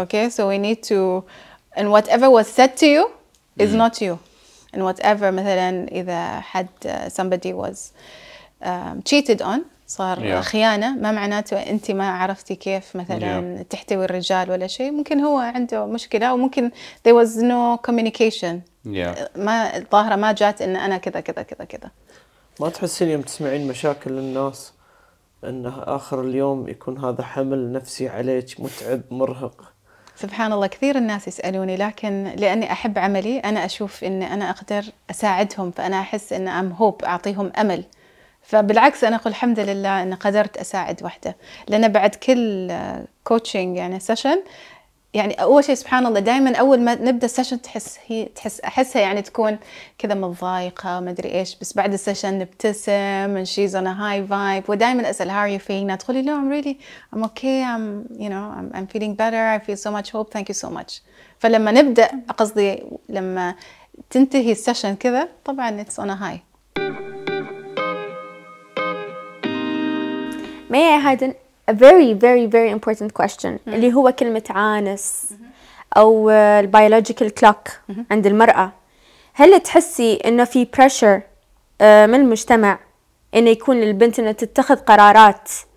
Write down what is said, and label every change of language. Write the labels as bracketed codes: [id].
[en] Okay, so we need to, and whatever was said to you is not you. [ar] And whatever, مثلا, إذا [en] had somebody was cheated on, [ar] صار خيانة, ما معناته أنت ما عرفتي كيف مثلا تحتوي الرجال ولا شيء. ممكن هو عنده مشكلة وممكن [en] there was no communication. Yeah. [ar] ما الظاهرة ما جات إن أنا كذا كذا كذا كذا. ما تحسين يوم تسمعين مشاكل الناس إنه آخر اليوم يكون هذا حمل نفسي عليك متعب مرهق؟ سبحان الله كثير الناس يسألوني، لكن لأني أحب عملي أنا أشوف إن أنا أقدر أساعدهم، فأنا أحس إن [en] I'm hope [ar] أعطيهم أمل. فبالعكس أنا أقول الحمد لله إن قدرت أساعد واحدة، لأن بعد كل كوتشينج يعني سيشن يعني أول شيء سبحان الله دائما أول ما نبدأ سيشن تحس أحسها يعني تكون كذا مضايقة وما أدري إيش، بس بعد السيشن نبتسم [en] and she's on a high vibe. [ar] ودائما أسأل [en] how are you feeling، تقولي no I'm really I'm okay I'm you know I'm feeling better I feel so much hope thank you so much. [ar] فلما نبدأ أقصدي لما تنتهي السيشن كذا طبعا [en] it's on a high. May I hide in a very very very important question [ar] اللي هو كلمة عانس أو [en] biological clock [ar] عند المرأة، هل تحسي إنه في pressure من المجتمع إنه يكون للبنت إنها تتخذ قرارات